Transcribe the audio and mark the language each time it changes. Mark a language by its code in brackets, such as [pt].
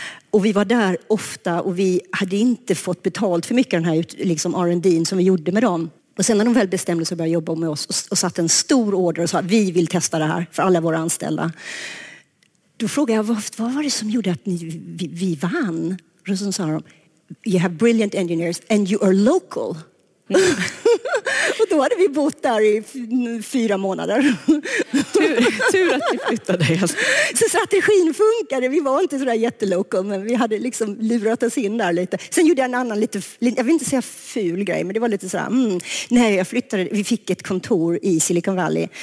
[sv] Och vi var där ofta och vi hade inte fått betalt för mycket den här liksom R&D'n som vi gjorde med dem. Och sen när de väl bestämde sig att börja jobba med oss och satt en stor order och sa att vi vill testa det här för alla våra anställda. Då frågade jag, vad var det som gjorde att vi vann? Och så sa de, [en] you have brilliant engineers and you are local. Mm. [sv] Och då hade vi bott där i 4 månader. Tur att vi flyttade. Så strategin funkade. Vi var inte så där jättelokal, men vi hade liksom lurat oss in där lite. Sen gjorde jag en annan lite, jag vill inte säga ful grej, men det var lite så där, nej, jag flyttade, vi fick ett kontor i Silicon Valley.